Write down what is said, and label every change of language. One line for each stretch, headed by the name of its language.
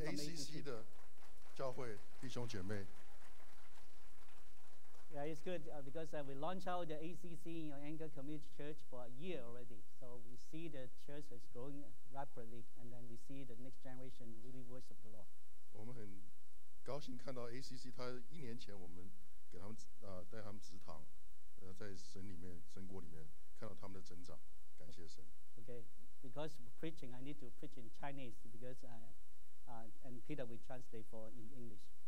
Chinese: 我们欢迎 ACC 的教会弟兄姐妹。
English: Yeah, it's good because we launched out the ACC Anchor Community Church for a year already. So we see the church is growing rapidly, and then we see the next generation really worship the Lord.
Chinese: 我们很高兴看到 ACC， 他一年前我们给他们带他们职堂，在神里面神国里面看到他们的增长，感谢神。
English: Okay, because preaching, I need to preach in Chinese because and Peter will translate for in English.